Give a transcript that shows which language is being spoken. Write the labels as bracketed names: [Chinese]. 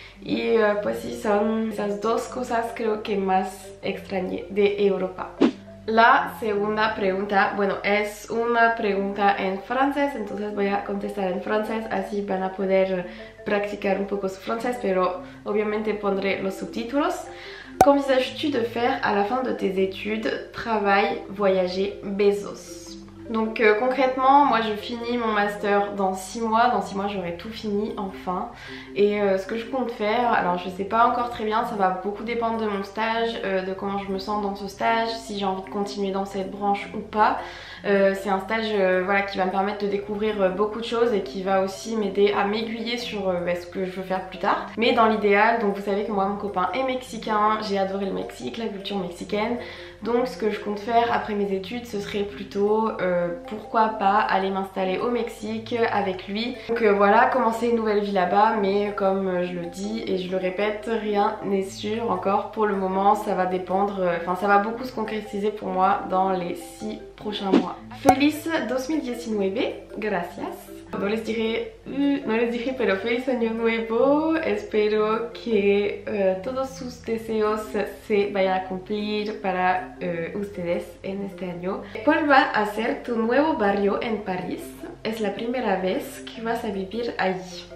[Spanish] Y pues sí, son esas dos cosas creo que más extrañé de Europa. La segunda pregunta, bueno, es una pregunta en francés, entonces voy a contestar en francés, así van a poder practicar un poco su francés, pero obviamente pondré los subtítulos. [French] ¿Qu'envisages-tu de faire à la fin de tes études, travail, voyager, besos? Donc concrètement, moi je finis mon master dans 6 mois, dans 6 mois j'aurai tout fini enfin. Et ce que je compte faire, alors je sais pas encore très bien, ça va beaucoup dépendre de mon stage, de comment je me sens dans ce stage, si j'ai envie de continuer dans cette branche ou pas. C'est un stage voilà, qui va me permettre de découvrir beaucoup de choses et qui va aussi m'aider à m'aiguiller sur ce que je veux faire plus tard. Mais dans l'idéal, donc vous savez que moi mon copain est mexicain, j'ai adoré le Mexique, la culture mexicaine. Donc ce que je compte faire après mes études, ce serait plutôt pourquoi pas aller m'installer au Mexique avec lui. Donc voilà, commencer une nouvelle vie là-bas, mais comme je le dis et je le répète, rien n'est sûr encore pour le moment, ça va dépendre, enfin ça va beaucoup se concrétiser pour moi dans les 6 prochains mois. [Spanish] Feliz 2019, gracias. No les dije, pero feliz año nuevo. Espero que todos sus deseos se vayan a cumplir para ustedes en este año. ¿Cuál va a ser tu nuevo barrio en París? Es la primera vez que vas a vivir allí.